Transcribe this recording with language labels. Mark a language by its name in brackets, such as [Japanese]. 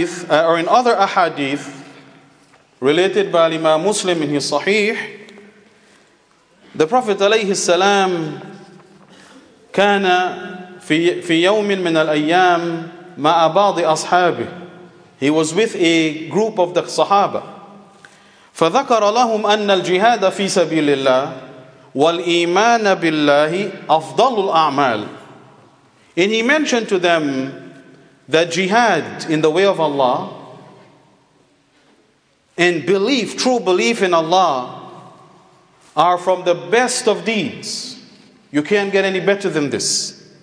[English] In other ahadith related by Imam Muslim in his Sahih, the Prophet alayhi salam [Arabic] كان في يوم من الأيام مع بعض أصحابه. [English] He was with a group of the Sahaba. [Arabic] فذكر لهم أن الجهاد في سبيل الله والإيمان بالله أفضل الأعمال. [English] And he mentioned to them that jihad in the way of Allah and belief, true belief in Allah, are from the best of deeds. You can't get any better than this.